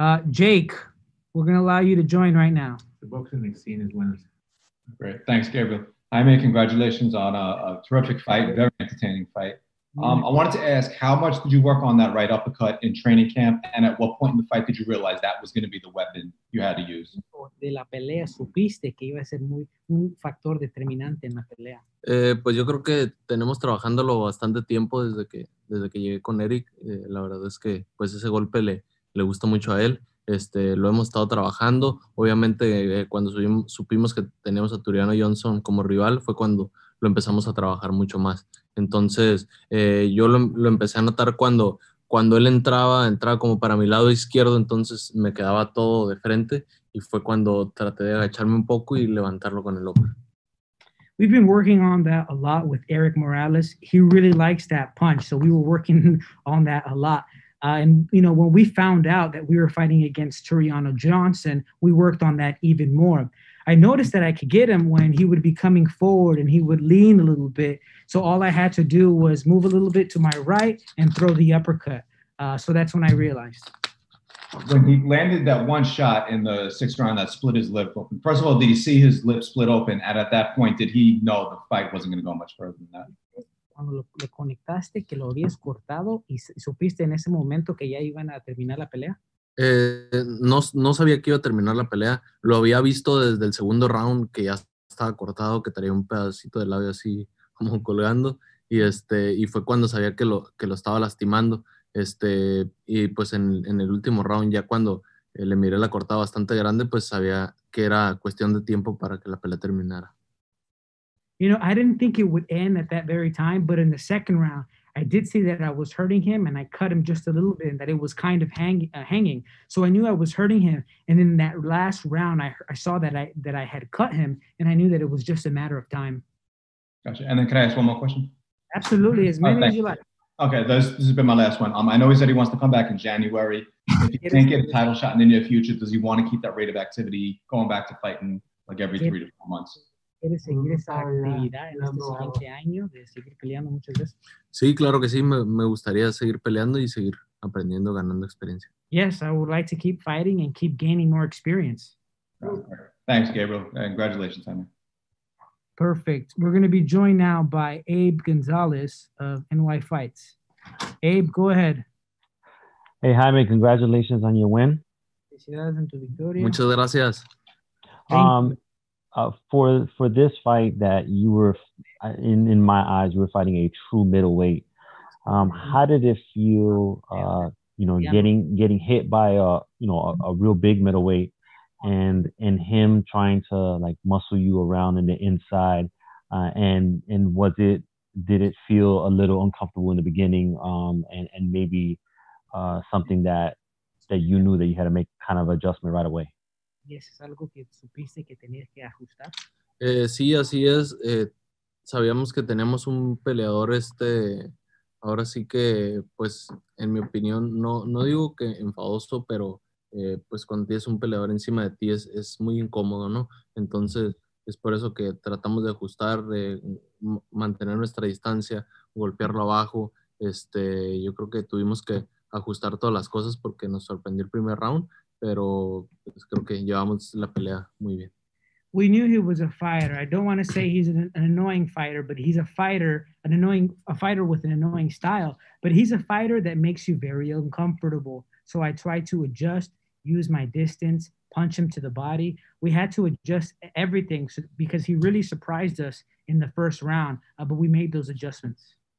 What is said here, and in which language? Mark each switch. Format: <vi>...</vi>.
<en>Jake, we're going to allow you to join right now. The boxing scene is winners. Great. Thanks, Gabriel. Jaime, congratulations on a terrific fight, very entertaining fight. I wanted to ask, how much did you work on that right uppercut in training camp? And at what point in the fight did you realize that was going to be the weapon you had to use?</en> <es>De la pelea, supiste que iba a ser muy un factor determinante en la pelea. Pues yo creo que tenemos trabajándolo bastante tiempo desde que llegué con Eric. La verdad es que pues ese golpe le gusta mucho a él. Lo hemos estado trabajando. Obviamente, cuando supimos que teníamos a Tureano Johnson como rival, fue cuando lo empezamos a trabajar mucho más. Entonces, yo lo empecé a notar cuando él entraba como para mi lado izquierdo, entonces me quedaba todo de frente y fue cuando traté de agacharme un poco y levantarlo con el hombro.</es> <en>We've been working on that a lot with Eric Morales. He really likes that punch, so we were working on that a lot. And, you know, when we found out that we were fighting against Tureano Johnson, we worked on that even more. I noticed that I could get him when he would be coming forward and he would lean a little bit. So all I had to do was move a little bit to my right and throw the uppercut. So that's when I realized. When he landed that one shot in the sixth round that split his lip open, first of all, did he see his lip split open? And at that point, did he know the fight wasn't going to go much further than that?</en> <es>Cuando le conectaste que lo habías cortado y supiste en ese momento que ya iban a terminar la pelea? No sabía que iba a terminar la pelea. Lo había visto desde el segundo round que ya estaba cortado, que traía un pedacito de labio así como colgando y fue cuando sabía que lo estaba lastimando. Y pues en el último round ya cuando le miré la cortada bastante grande, pues sabía que era cuestión de tiempo para que la pelea terminara.</es> <en>You know, I didn't think it would end at that very time, but in the second round, I did see that I was hurting him and I cut him just a little bit and that it was kind of hanging. So I knew I was hurting him. And in that last round, I saw that I had cut him and I knew that it was just a matter of time. Gotcha. And then can I ask one more question? Absolutely. As many as you like. Okay. This has been my last one. I know he said he wants to come back in January. If he can't get a title shot in the near future, does he want to keep that rate of activity going back to fighting like every 3 to 4 months?</en> <es>¿Quieres seguir esa actividad en este siguiente año de seguir peleando muchas veces? Sí, claro que sí. Me gustaría seguir peleando y seguir aprendiendo, ganando experiencia.</es> <en>Yes, I would like to keep fighting and keep gaining more experience. Thanks, Gabriel. Congratulations, Jaime. Perfect. We're going to be joined now by Abe Gonzalez of NY Fights. Abe, go ahead. Hey, Jaime, congratulations on your win.</en> <es>Felicidades en tu victoria. Muchas gracias.</es> <en>For this fight that you were, in my eyes, you were fighting a true middleweight. How did it feel, getting hit by a real big middleweight and him trying to like muscle you around in the inside? And was it, did it feel a little uncomfortable in the beginning? And maybe something that you knew that you had to make kind of adjustment right away?</en> <es>Yes, es algo que supiste que tenías que ajustar. Sí, así es. Sabíamos que tenemos un peleador ahora sí que, pues, en mi opinión, no digo que enfadoso, pero pues cuando tienes un peleador encima de ti es muy incómodo, ¿no? Entonces, es por eso que tratamos de ajustar, de mantener nuestra distancia, golpearlo abajo. Yo creo que tuvimos que ajustar todas las cosas porque nos sorprendió el primer round. Pero pues, creo que llevamos la pelea muy bien.</es> <en>We knew he was a fighter. I don't want to say he's an annoying fighter, but he's a fighter with an annoying style. But he's a fighter that makes you very uncomfortable. So I tried to adjust, use my distance, punch him to the body. We had to adjust everything because he really surprised us in the first round, but we made those adjustments.</en>